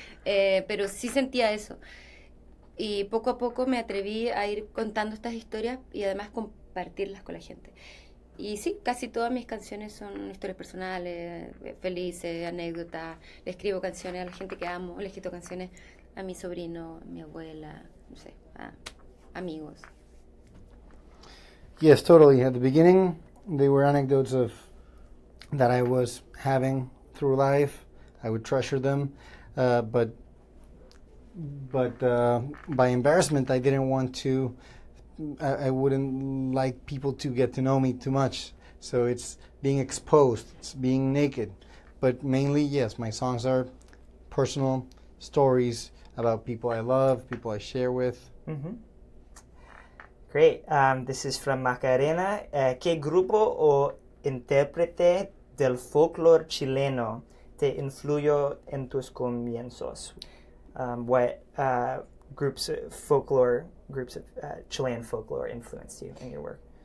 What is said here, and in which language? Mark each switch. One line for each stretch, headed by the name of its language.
Spanish: Pero sí sentía eso. Y poco a poco me atreví a ir contando estas historias y además compartirlas con la gente. Y sí, casi todas mis canciones son historias personales, felices, anécdotas. Le escribo canciones a la gente que amo, le escrito canciones a mi sobrino, a mi abuela, no sé, a amigos.
English: Yes, totally. At the beginning, they were anecdotes of that I was having through life. I would treasure them, but by embarrassment, I didn't want to. I wouldn't like people to get to know me too much. So it's being exposed. It's being naked. But mainly, yes, my songs are personal stories about people I love, people I share with. Mm-hmm. Great. This is from Macarena.
Spanish: ¿Qué grupo o intérprete del folclore chileno te influyó en tus comienzos?
English: Chilean folklore influenced you in your work?